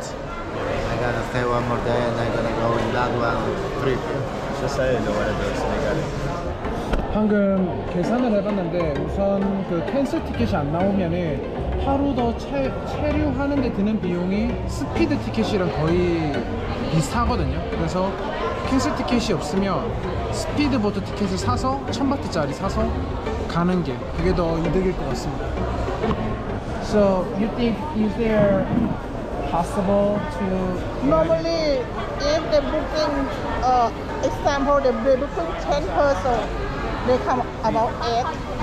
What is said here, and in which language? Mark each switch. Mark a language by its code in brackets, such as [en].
[en] I gotta stay one more day and I'm gonna go in that one trip. She said, no, I don't know. [ko] 방금 계산을 해봤는데 우선 그 cancel 티켓이 안 나오면 하루 더 체류하는 데 드는 비용이 스피드 티켓이랑 거의 비슷하거든요. 그래서 캔슬 티켓이 없으면 스피드보트 티켓을 사서 1000바트짜리 사서 가는 게 그게 더 이득일 것 같습니다. [en] So you think is there possible to normally if they booking example they booking 10 person they come about 8.